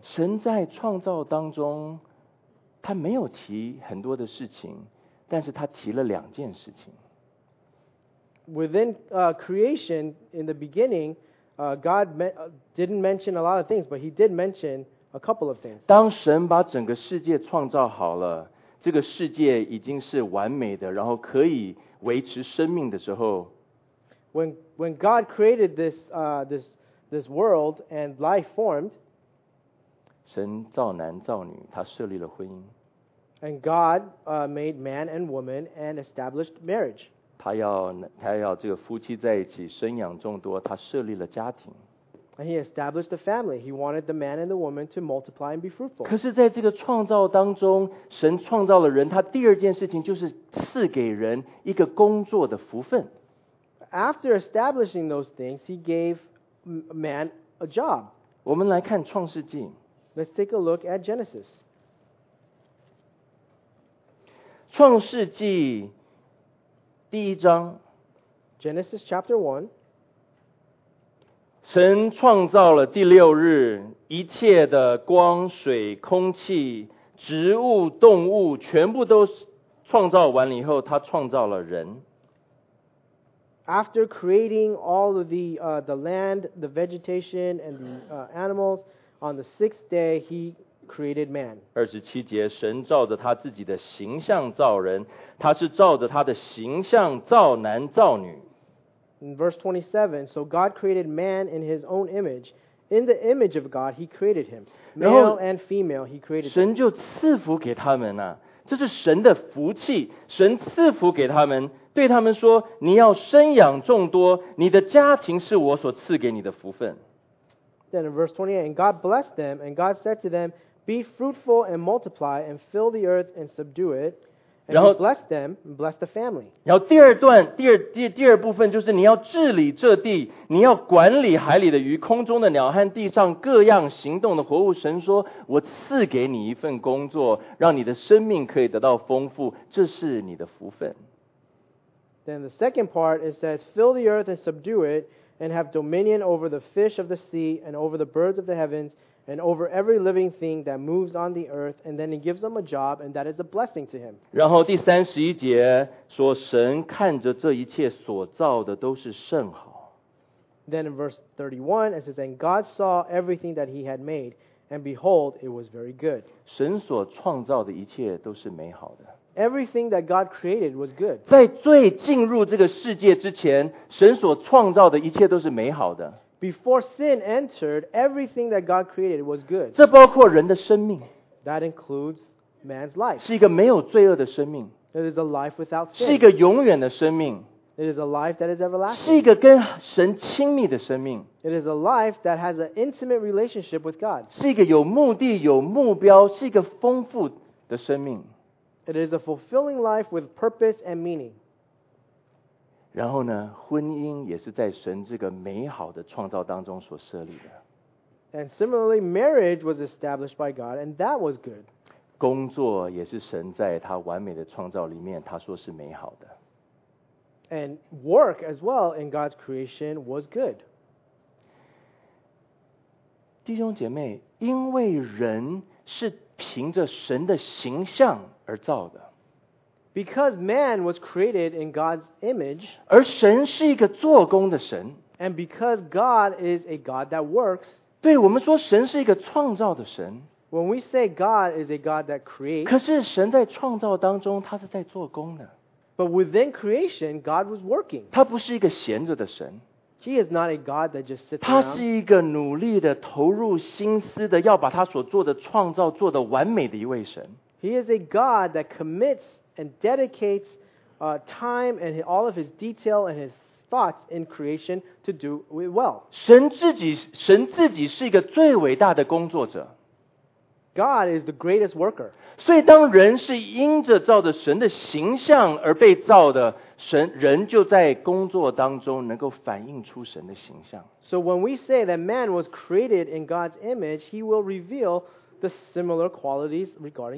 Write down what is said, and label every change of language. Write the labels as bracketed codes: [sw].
[zh] 神在创造当中，他没有提很多的事情，但是他提了两件事情。 [en] Within creation, in the beginning, God didn't mention a lot of things, but He did mention a couple of things. [zh] 当神把整个世界创造好了，这个世界已经是完美的，然后可以维持生命的时候。 [en] When God created this world and life formed, [zh] 神造男造女，他设立了婚姻。 [en] And God made man and woman and established marriage. [zh] 他要这个夫妻在一起，生养众多，他设立了家庭。 [en] And He established a family. He wanted the man and the woman to multiply and be fruitful. [zh] 可是在这个创造当中，神创造了人，他第二件事情就是赐给人一个工作的福分。 [en] After establishing those things, He gave man a job. [zh] 我们来看创世纪。 [en] Let's take a look at Genesis. [zh] 创世纪第一章。 [en] Genesis chapter 1. [zh] 神创造了第六日，一切的光、水、空气、植物、动物，全部都创造完了以后，他创造了人。 [en] After creating all of the land, the vegetation, and the animals, on the sixth day, He created man. [zh] 27节，神照着他自己的形象造人，他是照着他的形象造男造女。 [en] In verse 27, so God created man in His own image. In the image of God, He created him. Male and female, He created them. [zh] 神就赐福给他们啊，这是神的福气，神赐福给他们。对他们说，你要生养众多，你的家庭是我所赐给你的福分。 [en] Then in verse 28, and God blessed them, and God said to them, be fruitful and multiply, and fill the earth and subdue it, and He blessed them, and blessed the family. [zh] 然后第二部分就是你要治理这地，你要管理海里的鱼、空中的鸟和地上各样行动的活物。神说，我赐给你一份工作，让你的生命可以得到丰富，这是你的福分。 [en] Then the second part, it says, fill the earth and subdue it, and have dominion over the fish of the sea, and over the birds of the heavens, and over every living thing that moves on the earth, and then He gives them a job, and that is a blessing to Him. [zh] 然后第三十一节说，神看着这一切所造的都是甚好。 [en] Then in verse 31, it says, and God saw everything that He had made, and behold, it was very good. [zh] 神所创造的一切都是美好的。 [en] Everything that God created was good. [zh] 在最进入这个世界之前，神所创造的一切都是美好的。 [en] Before sin entered, everything that God created was good. [zh] 这包括人的生命。 [en] That includes man's life. [zh] 是一个没有罪恶的生命。 [en] It is a life without sin. [zh] 是一个永远的生命。 [en] It is a life that is everlasting. [zh] 是一个跟神亲密的生命。 [en] It is a life that has an intimate relationship with God. [zh] 是一个有目的、有目标、是一个丰富的生命。 [en] It is a fulfilling life with purpose and meaning. [zh] 然后呢，婚姻也是在神这个美好的创造当中所设立的。 [en] And similarly, marriage was established by God, and that was good. [zh] 工作也是神在他完美的创造里面，他说是美好的。 [en] And work as well in God's creation was good. [zh] 弟兄姐妹，因为人是凭着神的形象而造的。 [en] Because man was created in God's image, [zh] 而神是一个做工的神。 [en] And because God is a God that works, [zh] 对，我们说神是一个创造的神。 [en] When we say God is a God that creates, [zh] 可是神在创造当中，他是在做工的。 [en] But within creation, God was working. [zh] 他不是一个闲着的神。 [en] He is not a God that just sits around. [zh] 他是一个努力的、投入心思的、要把他所做的创造做得完美的一位神。 [en] He is a God that commits and dedicates time and all of His detail and His thoughts in creation to do it well. [zh] 神自己是一个最伟大的工作者。 [en] God is the greatest worker. [zh] 所以当人是因着照着神的形象而被造的，神人就在工作当中能够反映出神的形象。 [en] So when we say that man was created in God's image, he will reveal the similar qualities regarding work.